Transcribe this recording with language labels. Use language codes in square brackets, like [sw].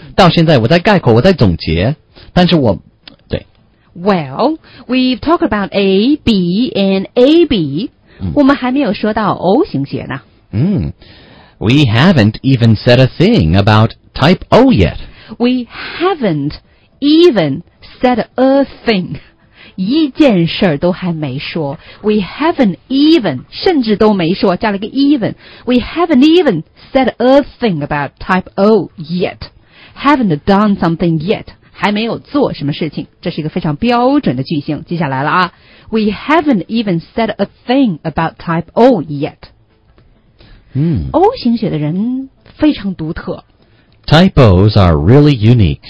[zh] 到现在我在概括，我在总结，但是我。 [en] Well, we've talked about A, B, and AB.、嗯、 [zh] 我们还没有说到 O 型血呢。 [en] 嗯 ，We haven't even said a thing about type O yet. We haven't even said a thing. [zh] 一件事儿都还没说。 [en] We haven't even [zh] 甚至都没说，加了个 even. [en] We haven't even said a thing about type O yet. Haven't done something yet. [zh] 还没有做什么事情，这是一个非常标准的句型。接下来了啊 [en] ，We haven't even said a thing about type O yet。嗯 [zh] ，O 型血的人非常独特。 [en] Type O's are really unique。